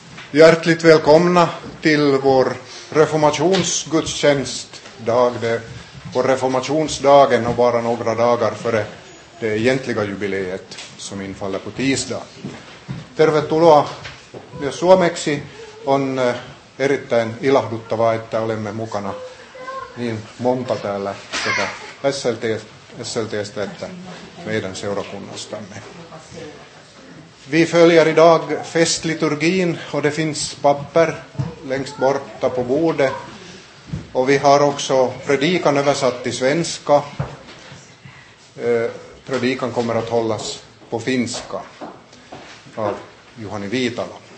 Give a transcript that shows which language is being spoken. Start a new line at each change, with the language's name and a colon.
Swedish: Hjärtligt välkomna till vår reformationsgudstjänstdag, vår reformationsdagen och bara några dagar före det egentliga jubileet som infaller på tisdag.
Finnish: Tervetuloa myös suomeksi. On erittäin ilahduttavaa, että olemme mukana niin monta täällä sekä SLT:stä että meidän seurakunnastamme.
Swedish: Vi följer idag festliturgin och det finns papper längst borta på bordet. Och vi har också predikan översatt till svenska. Predikan kommer att hållas på finska av Juhani Viitala.